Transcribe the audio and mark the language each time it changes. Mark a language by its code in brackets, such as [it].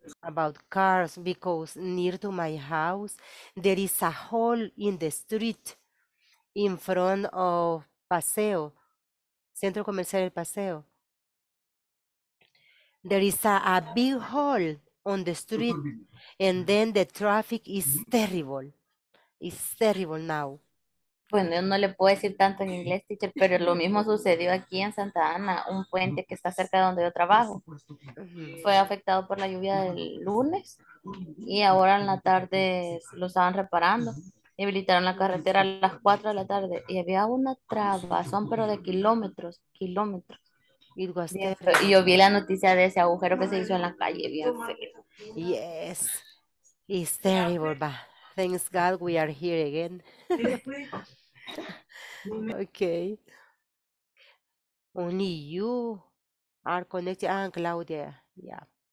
[en] About cars, because near to my house there is a hole in the street in front of Paseo, Centro Comercial El Paseo. There is a big hole on the street, and then the traffic is terrible. It's terrible now. [es] Bueno, no le puedo decir tanto en inglés, teacher, pero lo mismo sucedió aquí en Santa Ana, un puente que está cerca de donde yo trabajo. Fue afectado por la lluvia del lunes y ahora en la tarde lo estaban reparando. Y habilitaron la carretera a las 4 de la tarde y había una trabazón, pero de kilómetros, kilómetros. Y yo vi la noticia de ese agujero que se hizo en la calle, bien feo. [en] Yes, it's terrible, but thanks God we are here again. Okay. Only you are connected. Ah, Claudia. Yeah.